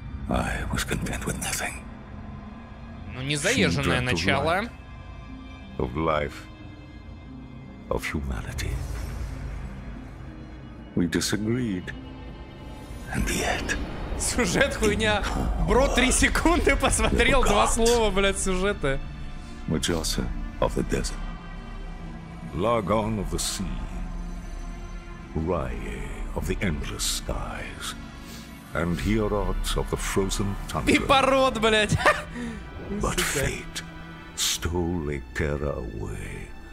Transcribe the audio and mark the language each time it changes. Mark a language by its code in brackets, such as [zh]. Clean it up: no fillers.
[en] I was content with nothing. [ru] Ну, не заезженное начало. [en] Of life, of humanity. We disagreed, and yet. [ru] Сюжет хуйня. Бро, 3 секунды посмотрел, 2 слова, блядь, сюжета. [en] Majosa of the desert. Lagon of the sea, Rye of the endless skies, and Hierot of the frozen tundra. [ru] Пипорот, блядь! [en] But fate stole Ikera away.